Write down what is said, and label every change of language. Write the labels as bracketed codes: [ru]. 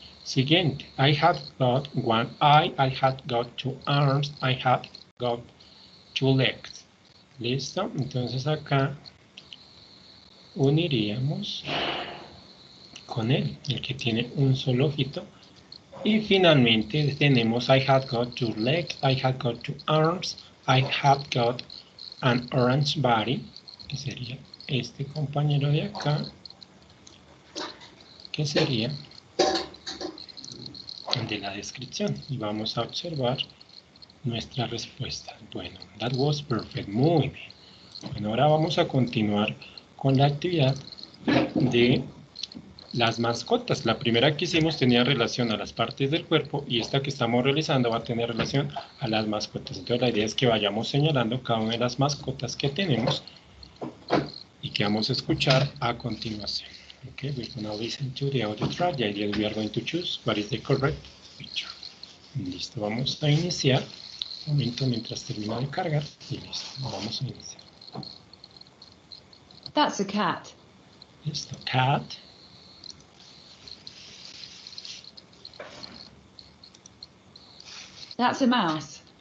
[en] Siguiente, I have got one eye, I have got two arms, I have got two legs. [es] ¿Listo? Entonces acá uniríamos con él, el que tiene un solo ojito. Y finalmente tenemos [en] I have got two legs, I have got two arms, I have got an orange body, [es] que sería este compañero de acá, que sería de la descripción, y vamos a observar nuestra respuesta. [en] Bueno, that was perfect, [es] muy bien. Bueno, ahora vamos a continuar con la actividad de las mascotas. La primera que hicimos tenía relación a las partes del cuerpo y esta que estamos realizando va a tener relación a las mascotas. Entonces la idea es que vayamos señalando cada una de las mascotas que tenemos y que vamos a escuchar a continuación. [en] Okay, we're going to listen to the audio track. The idea is we are going to choose what is the correct picture. [es] Listo, vamos a iniciar. Un momento mientras termino de cargar. Y listo, vamos a iniciar. [en] That's a cat. [es] Listo, cat. [en] That's a mouse.